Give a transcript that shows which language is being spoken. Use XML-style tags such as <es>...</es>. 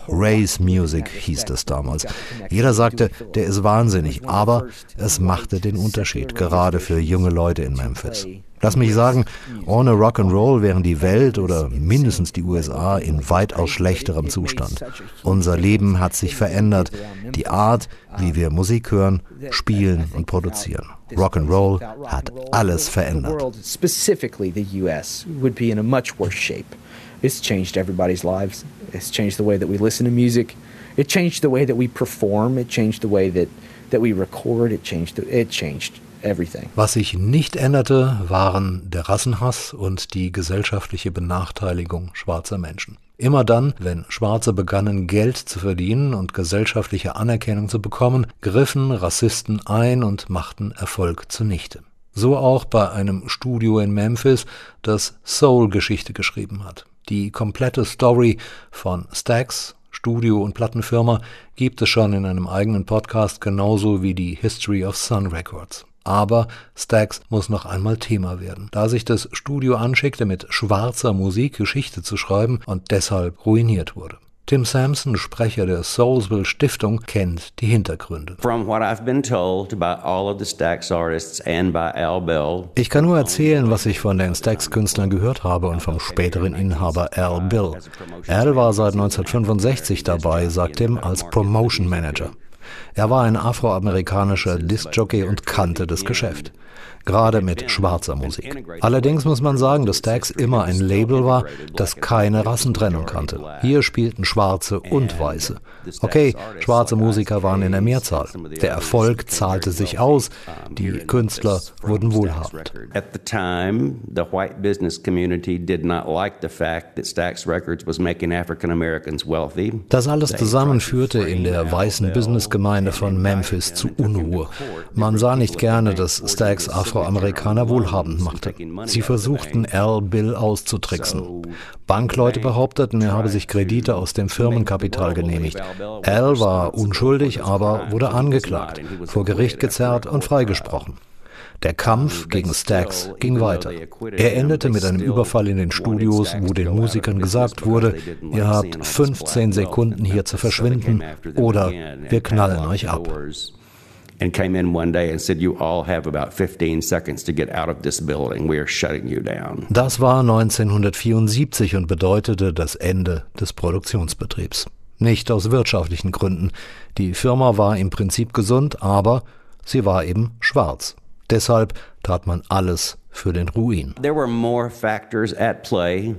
<de>Race Music hieß das damals. Jeder sagte, der ist wahnsinnig, aber es machte den Unterschied, gerade für junge Leute in Memphis. Lass mich sagen, ohne Rock'n'Roll wären die Welt oder mindestens die USA in weitaus schlechterem Zustand. Unser Leben hat sich verändert. Die Art, wie wir Musik hören, spielen und produzieren. Rock'n'Roll hat alles verändert.</de> <en>Specifically the US would be in a much worse shape. It's changed everybody's lives. It's changed the way that we listen to music. It changed the way that we perform. It changed the way that we record. It changed everything.</en> <de>Was sich nicht änderte, waren der Rassenhass und die gesellschaftliche Benachteiligung schwarzer Menschen. Immer dann, wenn Schwarze begannen, Geld zu verdienen und gesellschaftliche Anerkennung zu bekommen, griffen Rassisten ein und machten Erfolg zunichte. So auch bei einem Studio in Memphis, das Soul-Geschichte geschrieben hat. Die komplette Story von Stax, Studio und Plattenfirma, gibt es schon in einem eigenen Podcast, genauso wie die History of Sun Records. Aber Stax muss noch einmal Thema werden, da sich das Studio anschickte, mit schwarzer Musik Geschichte zu schreiben und deshalb ruiniert wurde. Tim Sampson, Sprecher der Soulsville Stiftung, kennt die Hintergründe.</de> <en>From what I've been told by all of the Stax artists and by Al Bell.</en> <de>Ich kann nur erzählen, was ich von den Stax-Künstlern gehört habe und vom späteren Inhaber Al Bell. Al war seit 1965 dabei, sagt Tim, als Promotion Manager. Er war ein afroamerikanischer Disc-Jockey und kannte das Geschäft. Gerade mit schwarzer Musik. Allerdings muss man sagen, dass Stax immer ein Label war, das keine Rassentrennung kannte. Hier spielten Schwarze und Weiße. Okay, schwarze Musiker waren in der Mehrzahl. Der Erfolg zahlte sich aus. Die Künstler wurden wohlhabend.</de> <en>At the time, the white business community did not like the fact that Stax Records was making African Americans wealthy.</en> <de>Das alles zusammen führte in der weißen Businessgemeinde von Memphis zu Unruhe. Man sah nicht gerne, dass Stax Afroamerikaner wohlhabend machte. Sie versuchten, Al Bill auszutricksen. Bankleute behaupteten, er habe sich Kredite aus dem Firmenkapital genehmigt. Al war unschuldig, aber wurde angeklagt, vor Gericht gezerrt und freigesprochen. Der Kampf gegen Stax ging weiter. Er endete mit einem Überfall in den Studios, wo den Musikern gesagt wurde, ihr habt 15 Sekunden hier zu verschwinden oder wir knallen euch ab.</de> <en>And came in one day and said, you all have about 15 seconds to get out of this building. We are shutting you down.</en> <de>Das war 1974 und bedeutete das Ende des Produktionsbetriebs. Nicht aus wirtschaftlichen Gründen. Die Firma war im Prinzip gesund, aber sie war eben schwarz. Deshalb tat man alles für den Ruin.</de> <en>There were more factors at play.</en>